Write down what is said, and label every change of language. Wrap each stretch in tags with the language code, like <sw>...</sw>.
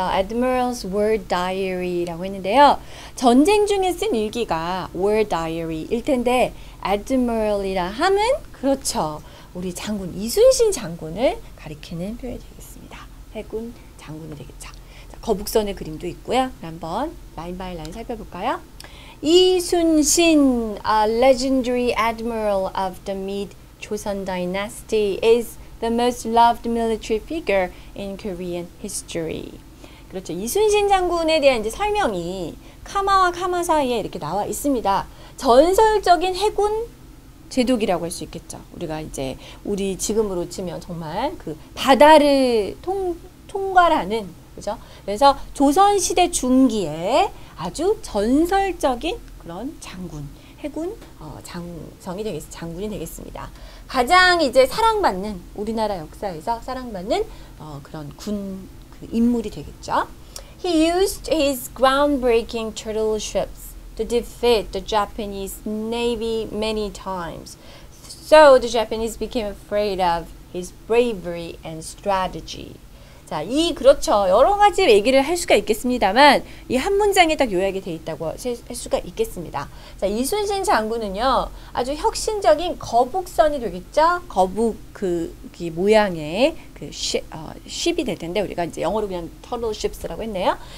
<ko>Admiral's War Diary라고 했는데요. 전쟁 중에 쓴 일기가 War Diary일 텐데, Admiral이라 함은 그렇죠. 우리 장군, 이순신 장군을 가리키는 표현이 되겠습니다. 해군 장군이 되겠죠. 자, 거북선의 그림도 있고요. 한번 라인 바이 라인 살펴볼까요?</ko> <en>이순신, a legendary admiral of the Mid Joseon Dynasty, is the most loved military figure in Korean history.</en> <ko>그렇죠. 이순신 장군에 대한 이제 설명이 카마와 카마 사이에 이렇게 나와 있습니다. 전설적인 해군 제독이라고 할수 있겠죠. 우리가 이제 우리 지금으로 치면 정말 그 바다를 통과하는 그죠? 그래서 조선시대 중기에 아주 전설적인 그런 장군, 해군 장성이 되겠, 장군이 되겠습니다. 가장 이제 사랑받는 우리나라 역사에서 사랑받는 그런 군그 인물이 되겠죠.</ko> <en>He used his groundbreaking turtle ships to defeat the Japanese Navy many times, so the Japanese became afraid of his bravery and strategy.</en> <ko>자, 이 그렇죠. 여러 가지 얘기를 할 수가 있겠습니다만 이한 문장에 딱 요약이 돼 있다고 할 수가 있겠습니다. 자, 이순신 장군은요. 아주 혁신적인 거북선이 되겠죠? 거북 그 모양의 그 쉽이 될 텐데 우리가 이제 영어로 그냥 터틀 쉽스라고 했네요.</ko>